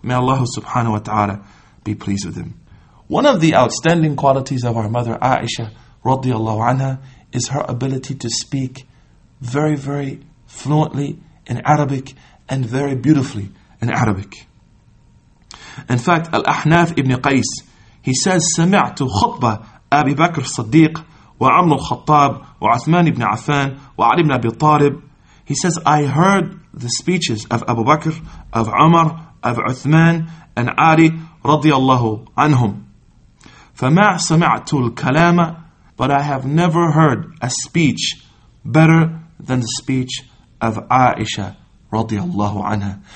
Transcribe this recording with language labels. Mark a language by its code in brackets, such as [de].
[en] May Allah subhanahu wa ta'ala be pleased with them. One of the outstanding qualities of our mother Aisha radiallahu anha is her ability to speak very, very fluently in Arabic and very beautifully in Arabic. In fact, Al-Ahnaf ibn Qais, he says, [ar] سمعت خطبة أبي بكر الصديق وعمر الخطاب وعثمان ابن عفان وعلي بن أبي طالب. [en] He says, I heard the speeches of Abu Bakr, of Umar, of Uthman, and Ali radiallahu anhum. [ar] فما سمعت الكلام, [en] but I have never heard a speech better than the speech of Aisha radiallahu anha.